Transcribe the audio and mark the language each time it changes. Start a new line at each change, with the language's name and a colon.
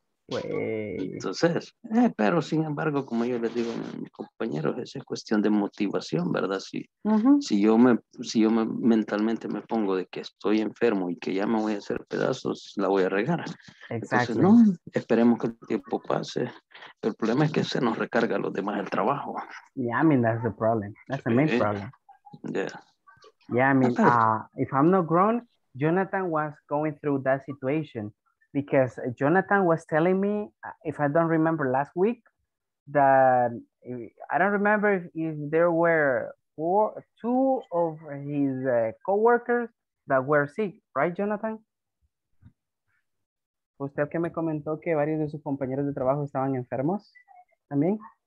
Spanish: Entonces, pero sin embargo, como yo les digo a mis compañeros, esa es cuestión de motivación, ¿verdad? Si, uh-huh. si yo me mentalmente me pongo de que estoy enfermo y que ya me voy a hacer pedazos, la voy a regar. Exacto. Entonces, no, esperemos que el tiempo pase. Pero el problema es que se nos recarga a los demás el trabajo.
English: Yeah, that's the problem. That's the main problem. Yeah. Yeah, if I'm not grown, Jonathan was going through that situation. Because Jonathan was telling me, if I don't remember last week, that I don't remember if there were two of his co-workers that were sick, right, Jonathan?
Spanish: ¿Usted que me comentó que varios de sus compañeros de trabajo estaban enfermos también?